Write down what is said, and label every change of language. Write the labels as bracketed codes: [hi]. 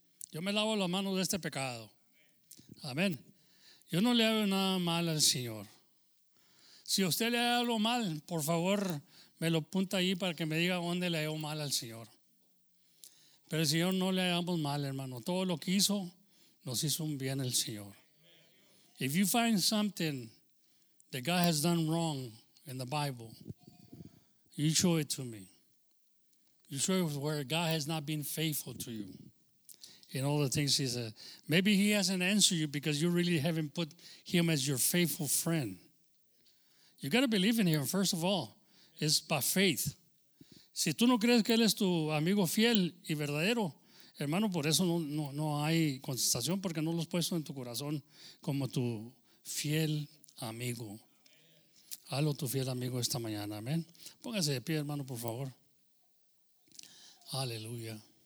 [es] Yo me lavo las manos de este pecado. Amén. Yo no le veo nada mal al Señor. Si a usted le ha algo mal, por favor, me lo apunta ahí para que me diga dónde le veo mal al Señor. Pero el Señor no le hagamos mal, hermano. Todo lo que hizo, nos hizo un bien el Señor. [en] If you find something that God has done wrong in the Bible, you show it to me. You show it where God has not been faithful to you in all the things he said. Maybe he hasn't answered you because you really haven't put him as your faithful friend. You got to believe in him, first of all. It's by faith. [es] Si tú no crees que Él es tu amigo fiel y verdadero, hermano, por eso no hay contestación, porque no lo has puesto en tu corazón como tu fiel amigo. Hazlo tu fiel amigo esta mañana, amén. Póngase de pie, hermano, por favor. Aleluya.